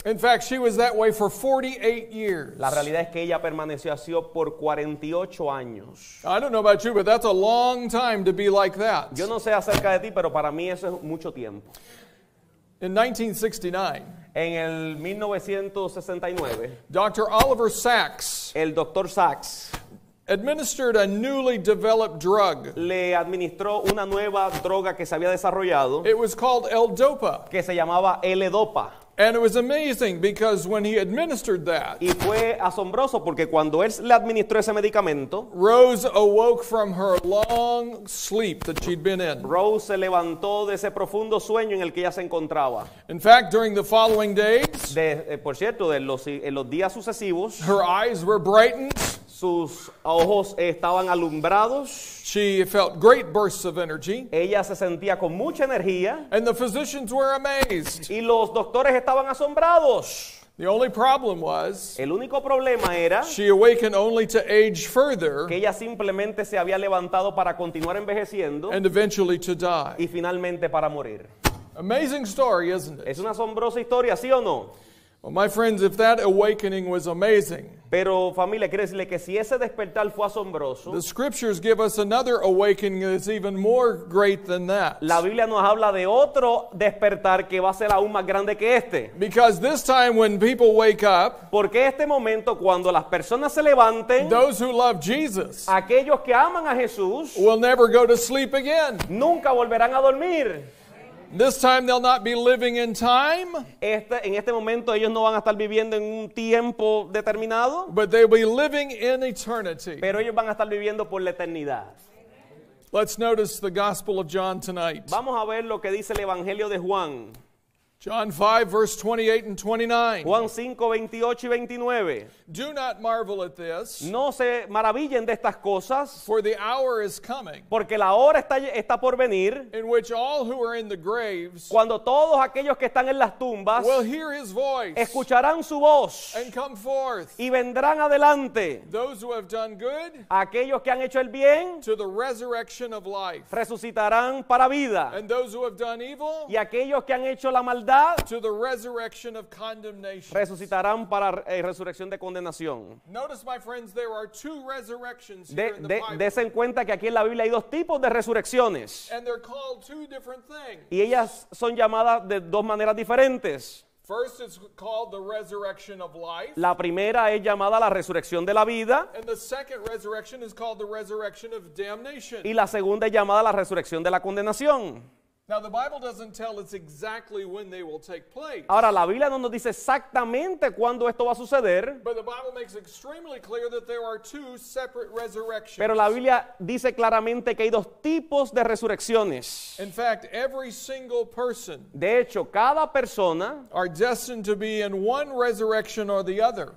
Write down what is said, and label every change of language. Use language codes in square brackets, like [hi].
[en] In fact, she was that way for 48 years. [es] La realidad es que ella permaneció así por 48 años. [en] I don't know about you, but that's a long time to be like that. [es] Yo no sé acerca de ti, pero para mí eso es mucho tiempo. [en] In 1969, [es] en el 1969, [en] Dr. Oliver Sacks, [es] el Dr. Sacks, [en] administered a newly developed drug. [es] Le administró una nueva droga que se había desarrollado. [en] It was called L-Dopa. [es] Que se llamaba L-Dopa. [en] And it was amazing because when he administered that, [es] y fue asombroso porque cuando él le administró ese medicamento, [en] Rose awoke from her long sleep that she'd been in. [es] Rose se levantó de ese profundo sueño en el que ella se encontraba. [en] In fact, during the following days, [es] por cierto, en los días sucesivos, [en] her eyes were brightened. [es] Sus ojos estaban alumbrados. [en] She felt great bursts of energy. [es] Ella se sentía con mucha energía. [en] And the physicians were amazed. [es] Y los doctores estaban asombrados. [en] The only problem was, [es] el único problema era, [en] she awakened only to age further, [es] que ella simplemente se había levantado para continuar envejeciendo, [en] and eventually to die. [es] Y finalmente para morir. [en] Amazing story, isn't it? [es] Es una asombrosa historia, ¿sí o no? [en] Well, my friends, if that awakening was amazing, [es] pero familia, quiero decirle que si ese despertar fue asombroso, [en] the scriptures give us another awakening that's even more great than that. [es] La Biblia nos habla de otro despertar que va a ser aún más grande que este. [en] Because this time when people wake up, [es] porque este momento cuando las personas se levanten, [en] those who love Jesus, [es] aquellos que aman a Jesús, [en] will never go to sleep again. [es] Nunca volverán a dormir. [en] This time they'll not be living in time. [es] En este momento ellos no van a estar viviendo en un tiempo determinado. [en] But they'll be living in eternity. [es] Pero ellos van a estar viviendo por la eternidad. [en] Let's notice the Gospel of John tonight. [es] Vamos a ver lo que dice el Evangelio de Juan. [en] John 5, verse 28 and 29. [es] Juan 5, 28 y 29. [en] Do not marvel at this. [es] No se maravillen de estas cosas. [en] For the hour is coming. [es] Porque la hora está por venir. [en] In which all who are in the graves. [es] Cuando todos aquellos que están en las tumbas. [en] Will hear his voice. [es] Escucharán su voz. [en] And come forth. [es] Y vendrán adelante. [en] Those who have done good. [es] Aquellos que han hecho el bien. [en] To the resurrection of life. [es] Resucitarán para vida. [en] And those who have done evil. [es] Y aquellos que han hecho la maldad. [en] To the resurrection of condemnation. [es] Resucitarán para resurrección de condenación. [en] Notice, my friends, there are two resurrections here in the Bible. [es] Dese en cuenta que aquí en la Biblia hay dos tipos de resurrecciones. [en] And they're called two different things. [es] Y ellas son llamadas de dos maneras diferentes. [en] First is called the resurrection of life. [es] La primera es llamada la resurrección de la vida. [en] And the second resurrection is called the resurrection of damnation. [es] Y la segunda es llamada la resurrección de la condenación. [en] Now the Bible doesn't tell us exactly when they will take place. [es] Ahora la Biblia no nos dice exactamente cuándo esto va a suceder. [en] But the Bible makes extremely clear that there are two separate resurrections. [es] Pero la Biblia dice claramente que hay dos tipos de resurrecciones. [en] In fact, every single person. [es] De hecho, cada persona. [en] Are destined to be in one resurrection or the other.